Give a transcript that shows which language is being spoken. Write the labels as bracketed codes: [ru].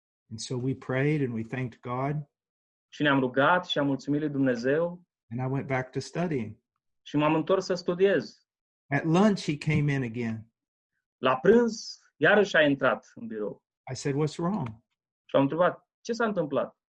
[en] And so we prayed and we thanked God. [ro] Și ne-am rugat și am mulțumit lui Dumnezeu. [en] And I went back to studying. [ro] Și m-am întors să studiez. [en] At lunch he came in again. [ro] La prânz, iarăși a intrat în birou. [en] I said, what's wrong? [ro] Și am întrebat, ce s-a întâmplat?